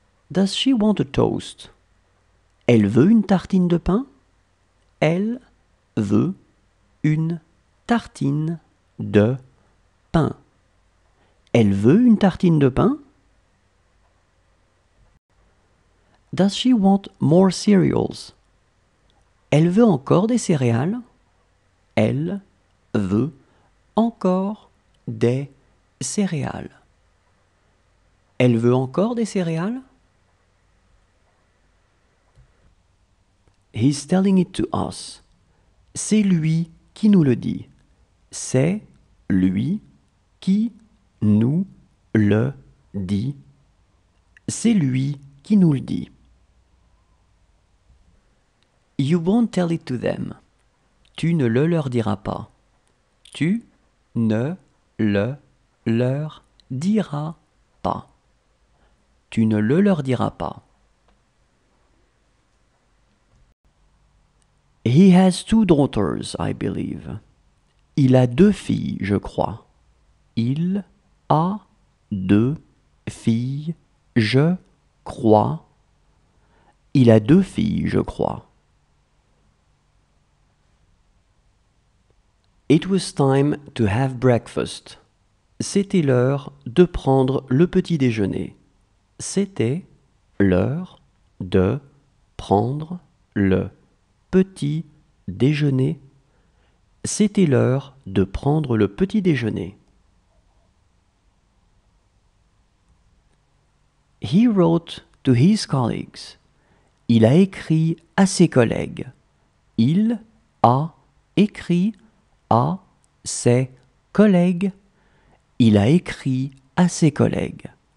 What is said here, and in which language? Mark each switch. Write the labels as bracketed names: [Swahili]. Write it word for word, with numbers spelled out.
[English] Does she want a toast? [French] Elle veut une tartine de pain? Elle veut une tartine de pain. Elle veut une tartine de pain? [English] Does she want more cereals? [French] Elle veut encore des céréales? Elle veut encore des céréales. Elle veut encore des céréales? [English] He's telling it to us. [French] C'est lui qui nous le dit. C'est lui qui nous le dit. C'est lui qui nous le dit. [English] You won't tell it to them. [French] Tu ne le leur diras pas. Tu ne le leur diras pas. Tu ne le leur diras pas. [English] He has two daughters, I believe. [French] Il a deux filles, je crois. Il a deux filles, je crois. Il a deux filles, je crois. [English] It was time to have breakfast. [French] C'était l'heure de prendre le petit déjeuner. C'était l'heure de prendre le petit déjeuner. C'était l'heure de prendre le petit déjeuner. [English] He wrote to his colleagues. [French] Il a écrit à ses collègues. Il a écrit à ses collègues. Il a écrit à ses collègues.